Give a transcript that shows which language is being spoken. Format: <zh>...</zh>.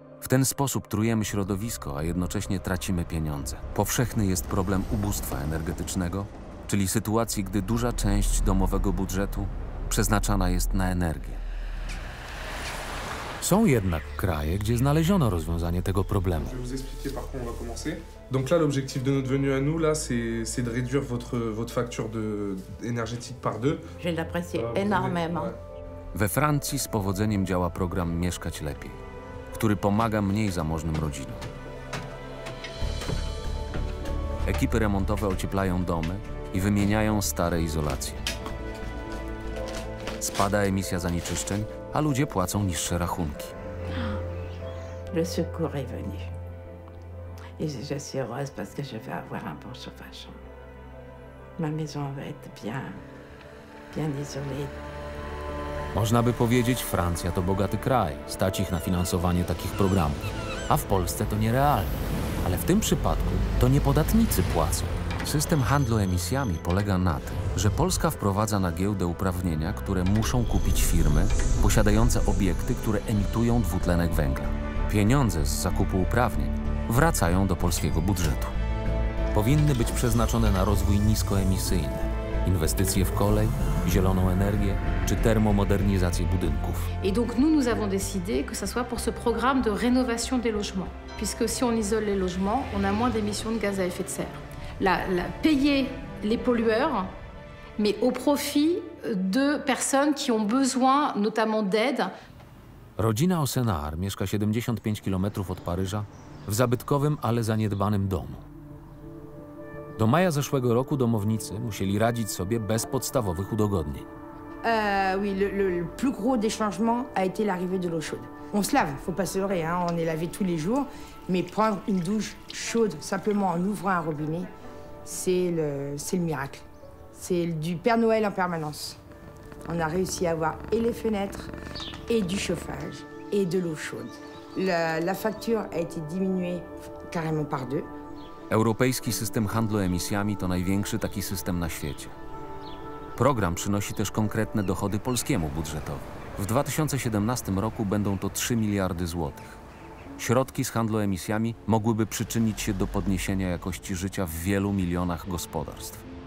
<pl>W ten sposób trujemy środowisko, a jednocześnie tracimy pieniądze. Powszechny jest problem ubóstwa energetycznego, czyli sytuacji, gdy duża część domowego budżetu przeznaczana jest na energię. Są jednak kraje, gdzie znaleziono rozwiązanie tego problemu.</pl> <fr>Donc là, l'objectif de notre venue à nous, là, c'est de réduire votre facture énergétique par deux. Je l'apprécie énormément.</fr> <pl>We Francji z powodzeniem działa program Mieszkać Lepiej, który pomaga mniej zamożnym rodzinom. Ekipy remontowe ocieplają domy i wymieniają stare izolacje. Spada emisja zanieczyszczeń, a ludzie płacą niższe rachunki.</pl> <fr>Le secours est venu. Et je suis heureuse parce que je vais avoir un bon chauffage. Ma maison va être bien isolée.</fr> <pl>Można by powiedzieć, Francja to bogaty kraj, stać ich na finansowanie takich programów. A w Polsce to nierealne. Ale w tym przypadku to nie podatnicy płacą. System handlu emisjami polega na tym, że Polska wprowadza na giełdę uprawnienia, które muszą kupić firmy posiadające obiekty, które emitują dwutlenek węgla. Pieniądze z zakupu uprawnień wracają do polskiego budżetu. Powinny być przeznaczone na rozwój niskoemisyjny. Inwestycje w kolej, zieloną energię czy termomodernizację budynków.</pl> <fr>I donc nous nous avons décidé que ça soit pour ce programme de rénovation des logements, puisque si on isole les logements, on a moins d'émissions de gaz à effet de serre. La payer les pollueurs, mais au profit de personnes qui ont besoin notamment d'aide.</fr> <pl>Rodzina Osenar mieszka 75 km od Paryża w zabytkowym, ale zaniedbanym domu. Do maja zeszłego roku domownicy musieli radzić sobie bez podstawowych udogodnień.</pl> <fr>Oui, le plus gros des changements a été l'arrivée de l'eau chaude. On se lave, faut pas se leurrer, hein, on est lavé tous les jours, mais prendre une douche chaude simplement en ouvrant un robinet, c'est le miracle. C'est du Père Noël en permanence. On a réussi à avoir et les fenêtres et du chauffage et de l'eau chaude. La facture a été diminuée carrément par deux.</fr> <pl>Europejski system handlu emisjami to największy taki system na świecie. Program przynosi też konkretne dochody polskiemu budżetowi. W 2017 roku będą to 3 miliardy złotych. Środki z handlu emisjami mogłyby przyczynić się do podniesienia jakości życia w wielu milionach gospodarstw.</pl>